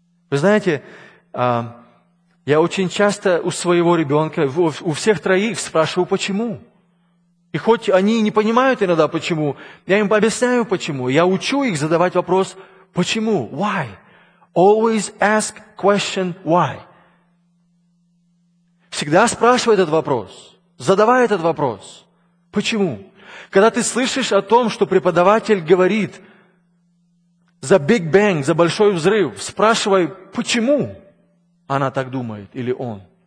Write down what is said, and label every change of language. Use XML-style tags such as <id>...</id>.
<ru>Вы знаете, я очень часто у своего ребенка, у всех троих спрашиваю, почему. И хоть они не понимают иногда, почему, я им объясняю, почему. Я учу их задавать вопрос, почему, why?</ru> <en>Always ask question why.</en> <ru>Всегда спрашивай этот вопрос, задавай этот вопрос. Почему? Когда ты слышишь о том, что преподаватель говорит за Big Bang, за большой взрыв, спрашивай, почему она так думает или он.</ru>